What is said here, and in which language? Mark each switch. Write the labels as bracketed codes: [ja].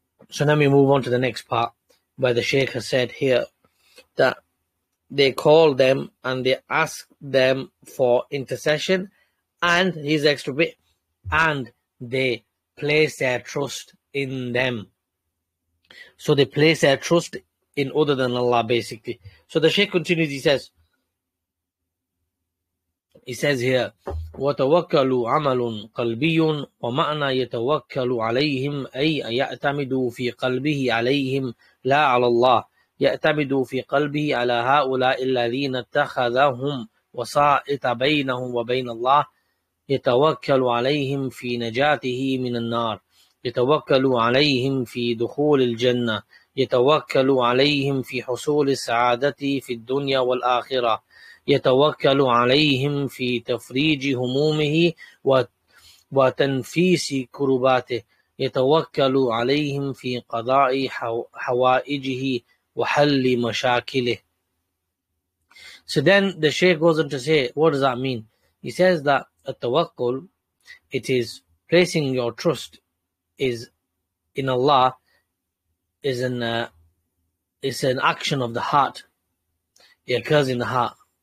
[en] So now we move on to the next part, where the Shaykh has said here that they call them and they ask them for intercession, and his extra bit, and they place their trust in them. So they place their trust in other than Allah, basically. So the Shaykh continues, he says here, [ar] وَتَوَكَّلُوا عَمَلٌ قَلْبِيٌ وَمَعْنَى يَتَوَكَّلُ عَلَيْهِمْ أَيْ يَعْتَمِدُوا فِي قَلْبِهِ عَلَيْهِمْ لَا عَلَى اللَّهِ يَأْتَمِدُوا فِي قَلْبِهِ عَلَى هَؤُلَاءِ الَّذِينَ اتَّخَذَهُمْ وَصَائِتَ بَيْنَهُمْ وَبَيْنَ اللَّهِ يَتَوَكَّلُ عَلَيْهِمْ فِي نَجَاتِهِ مِنَ النَّارِ يَتَوَكَّلُ عَلَيْهِمْ فِي دُخُولِ الْجَنَّةِ يَتَوَكَّلُ عَلَيْهِمْ فِي حُصُولِ السَّعَادَةِ فِي الدُّنْيَا وَالْآخِرَةِ يَتَوَكَّلُ عَلَيْهِمْ فِي تَفْرِيجِ هُمُومِهِ وَتَنْفِيسِ كُرُبَاتِهِ يَتَوَكَّلُ عَلَيْهِمْ فِي قَضَاءِ حَوَائِجِهِ وَحَلِّ مَشَاكِلِهِ. [en] So then the Shaykh goes on to say, what does that mean? He says that at tawakkul, it is placing your trust is in Allah, is an it's an action of the heart. It occurs in the heart.